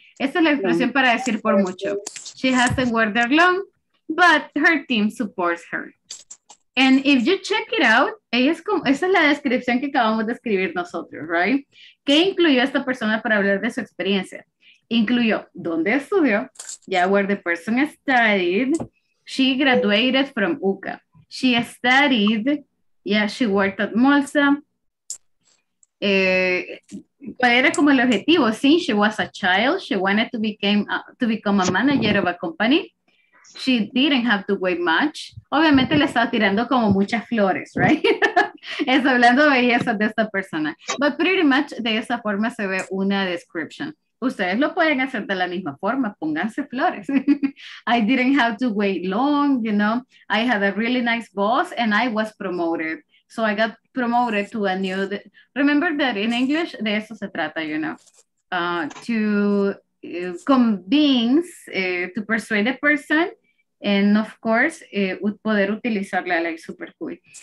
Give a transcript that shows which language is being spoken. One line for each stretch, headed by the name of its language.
Spanish: Esa es la expresión para decir por mucho.
English: She hasn't worked there long, but her team supports her. And if you check it out,
Spanish: ella es como, esa es la descripción que acabamos de escribir nosotros, right? ¿Qué incluyó esta persona para hablar de su experiencia? Incluyó dónde estudió,
English: yeah, where the person studied, she graduated from UCA, she studied, yeah, she worked at MOLSA.
Spanish: ¿Cuál era como el objetivo?
English: Since she was a child, she wanted to become a manager of a company. She didn't have to wait much.
Spanish: Obviamente le estaba tirando como muchas flores, right? Es hablando de belleza de esta persona.
English: But pretty much
Spanish: de esa forma se ve una description. Ustedes lo pueden hacer de la misma forma. Pónganse flores.
English: I didn't have to wait long, you know. I had a really nice boss and I was promoted. So I got promoted to a new... Remember that in English,
Spanish: de eso se trata,
English: you know. To... convince, to persuade a person, and of course,
Spanish: poder utilizarla,
English: like super cool.